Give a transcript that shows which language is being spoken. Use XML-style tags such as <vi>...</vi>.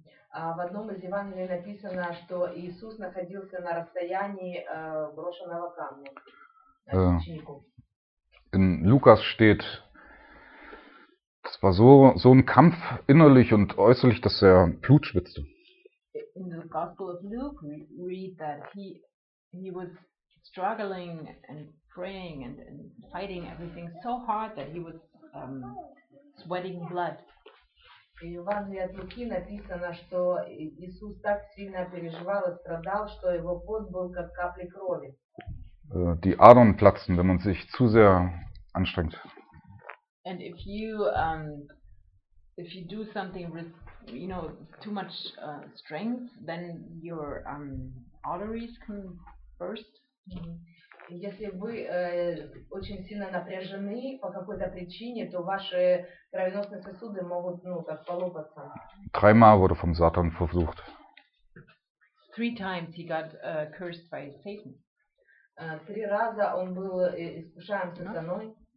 <ru>А в одном из Евангелий написано, что Иисус находился на расстоянии брошенного камня.</ru> <de>In Lukas steht, das war so ein Kampf innerlich und äußerlich, dass er Blut schwitzte.</de> <en>In the Gospel of Luke we read that he was struggling and praying and fighting everything so hard that he was sweating blood.</en> <ru>И в Евангелии от Луки написано, что Иисус так сильно переживал и страдал, что его пот был как капли крови.</ru> <de>Die Adern platzen, wenn man sich zu sehr anstrengt.</de> <en>And if you do something with, you know, too much strength, then your arteries can burst. Mm-hmm.</en> <ru>Если вы очень сильно напряжены по какой-то причине, то ваши кровеносные сосуды могут, ну, как полопаться.</ru> <de>Dreimal wurde vom Satan versucht.</de> <en>Three times he got cursed by Satan.</en> <ru>Три раза он был искушаем сатаной.</ru>